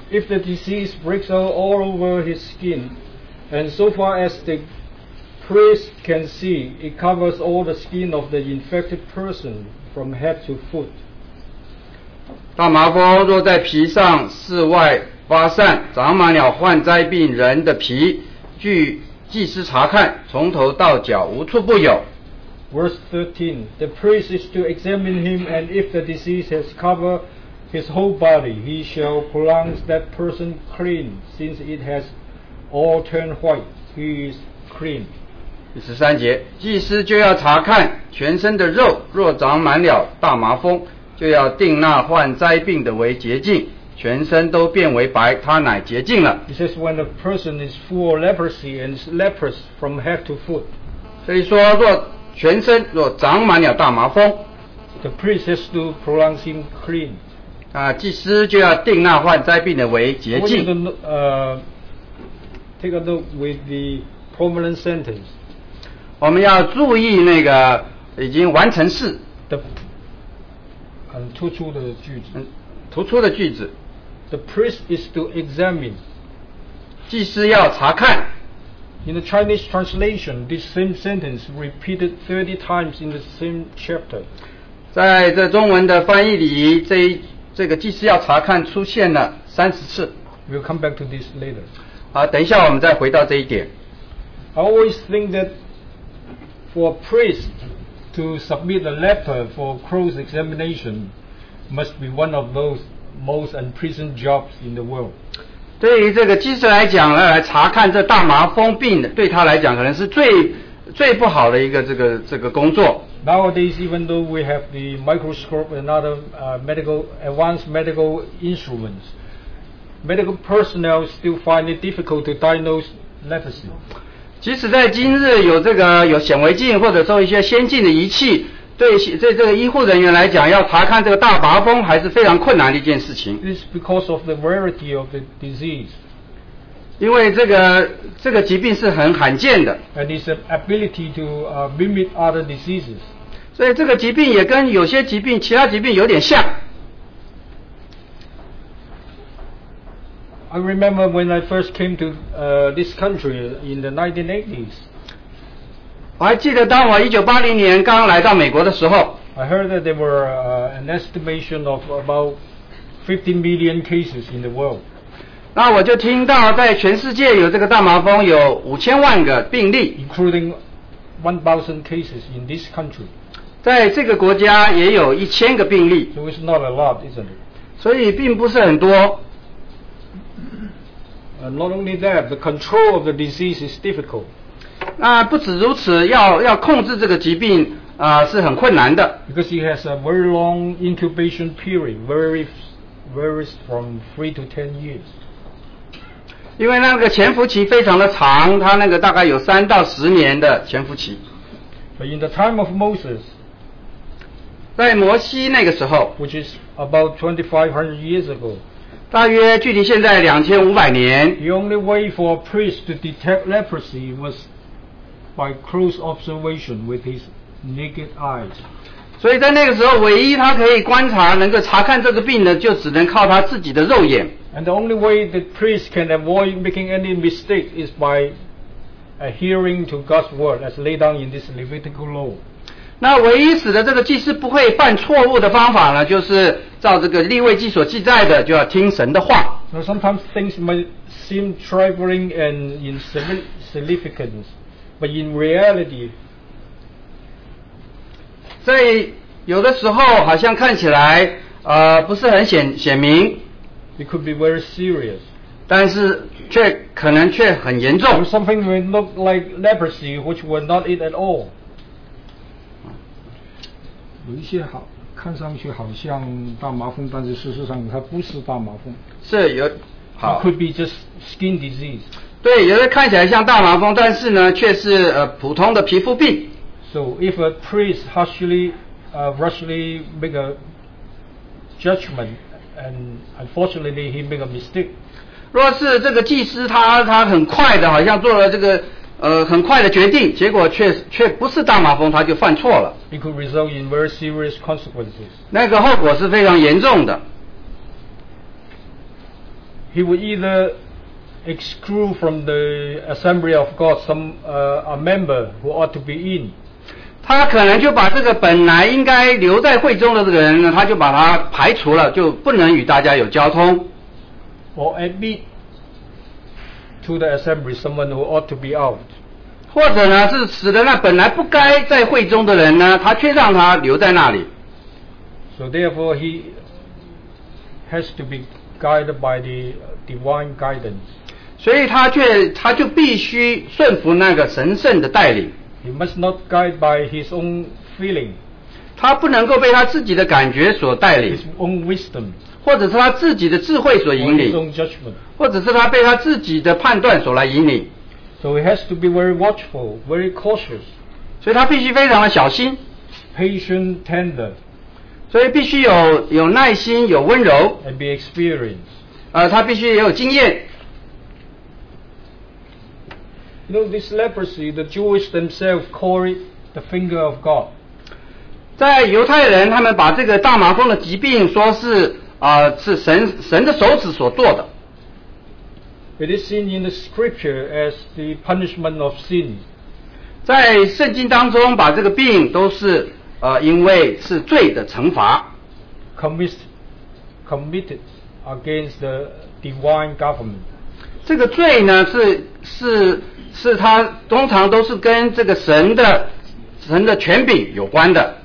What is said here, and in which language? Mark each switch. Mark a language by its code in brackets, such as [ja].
[en] If the disease breaks out all over his skin, and so far as the priest can see, it covers all the skin of the infected person from head to foot. [zh] 大麻风若在皮上室外发散，长满了患灾病人的皮，据祭司查看，从头到脚无处不有。 [en] Verse 13, the priest is to examine him, and if the disease has covered his whole body, he shall pronounce that person clean, since it has all turned white. He is clean. [zh] 第十三节，祭司就要查看全身的肉，若长满了大麻风，就要定那患灾病的为洁净，全身都变为白，他乃洁净了。 [en] He says when a person is full of leprosy and is leprous from head to foot. [zh] 所以说，若全身若长满了大麻风 [en] ，the priest has to pronounce him clean. [zh] 啊，祭司就要定那患灾病的为洁净。 [en] Take a look with the prominent sentence. [zh] 我们要注意那个已经完成式。 The 很突出的句子。突出的句子 [en] The priest is to examine. [zh] 祭司要查看。 [en] In the Chinese translation, this same sentence repeated 30 times in the same chapter. [zh] 在这中文的翻译里，这个祭司要查看出现了三十次。 [en] We'll come back to this later. [zh] 好，等一下我们再回到这一点。 [en] I always think that for a priest to submit a letter for cross examination must be one of those most unpleasant jobs in the world. [zh] 对于这个祭司来讲呢，来查看这大麻风病，对他来讲可能是最不好的一个这个工作。 [en] Nowadays, even though we have the microscope and other advanced medical instruments, medical personnel still find it difficult to diagnose leprosy. [zh] 即使在今日有这个有显微镜或者说一些先进的仪器，对这个医护人员来讲，要查看这个大麻风还是非常困难的一件事情。 [en] It's because of the rarity of the disease. [zh] 因为这个疾病是很罕见的。 [en] And its ability to mimic other diseases. [zh] 所以这个疾病也跟有些疾病其他疾病有点像。 [en] I remember when I first came to this country in the 1980s. [zh] 我还记得当我1980年刚来到美国的时候， [en] I heard that there were an estimation of about 50 million cases in the world. [zh] 那我就听到在全世界有这个大麻风有5000万个病例， [en] including 1000 cases in this country. [zh] 在这个国家也有1000个病例， [en] so it's not a lot, isn't it? [zh] 所以并不是很多。 [en] Not only that, the control of the disease is difficult. [zh] 那不止如此，要控制这个疾病是很困难的。 [en] Because it has a very long incubation period, varies from 3 to 10 years. [zh] 因为那个潜伏期非常的长，它那个大概有3到10年的潜伏期。 [en] But in the time of Moses. [zh] 在摩西那个时候， [en] which is about 2500 years ago, [zh] 大约距离现在2500年， [en] the only way for a priest to detect leprosy was by close observation with his naked eyes. [zh] 所以在那个时候，唯一他可以观察能够查看这个病的，就只能靠他自己的肉眼。 [en] And the only way the priest can avoid making any mistake is by adhering to God's word as laid down in this Levitical law. [zh] 那唯一使得这个祭司不会犯错误的方法呢，就是照这个利未记所记载的，就要听神的话。 [en] So sometimes things may seem trifling and insignificant, but in reality, [zh] 在有的时候好像看起来不是很显明 [en] ，it could be very serious, [zh] 但是却可能却很严重。 [en] So、something may look like leprosy, which was not it at all. [zh] 有一些好看上去好像大麻风，但是事实上它不是大麻风，是有好 [en] It could be just skin disease. [zh] 对，有的看起来像大麻风，但是呢却是普通的皮肤病。 [en] So if a priest harshly make a judgment and unfortunately he make a mistake, [zh] 若是这个祭司他很快的好像做了这个很快的决定，结果却不是大麻风，他就犯错了。 [en] It could result in very serious consequences. [zh] 那个后果是非常严重的。 [en] He would either exclude from the assembly of God some a member who ought to be in. [zh] 他可能就把这个本来应该留在会中的这个人呢，他就把他排除了，就不能与大家有交通。 [en] Or admit. To the assembly, someone who ought to be out. [zh] 或者呢，是使得那本来不该在会中的人呢，他却让他留在那里。 [en] So therefore, he has to be guided by the divine guidance. [zh] 所以他就必须顺服那个神圣的带领。 [en] He must not guide by his own feeling. [zh] 他不能够被他自己的感觉所带领。 [en] His own wisdom. [zh] 或者是他自己的智慧所引领，或者是他被他自己的判断所来引领。 [en] So he has to be very watchful, very cautious. [zh] 所以他必须非常的小心。 [en] Patient, tender. [zh] 所以必须有耐心，有温柔。 [en] And be experienced. [zh] 他必须也有经验。 [en] You know, this leprosy, the Jewish themselves call it the finger of God. [zh] 在犹太人，他们把这个大麻风的疾病说是。是神的手指所做的。 [en] It is seen in the scripture as the punishment of sin. [zh] 在圣经当中，把这个病都是因为是罪的惩罚。 [en] committed against the divine government. [zh] 这个罪呢是他通常都是跟这个神的权柄有关的。